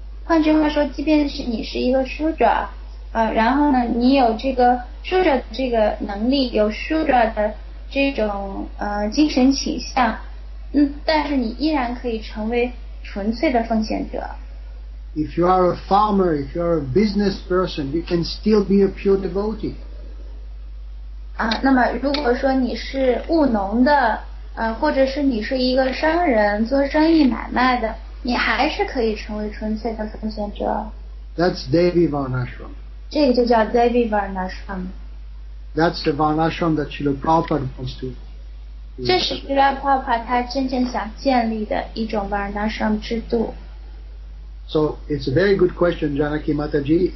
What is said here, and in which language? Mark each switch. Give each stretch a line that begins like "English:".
Chinese: 换句话说，即便是你是一个 Shudra， 然后呢，你有这个 Shudra 的这个能力，有 Shudra 的这种精神倾向，但是你依然可以成为纯粹的奉献者。
English: If you are a farmer, if you are a business person, you can still be a pure devotee.
Chinese: 那么如果说你是务农的，或者是你是一个商人，做生意买卖的，你还是可以成为纯粹的奉献者。
English: That's Devi Varnashram.
Chinese: 这个就叫 Devi Varnashram.
English: That's the Varnashram that Srila Prabhupada wants to.
Chinese: 这是 Srila Prabhupada 他真正想建立的一种 Varnashram 制度。
English: So it's a very good question, Janaki Mataji.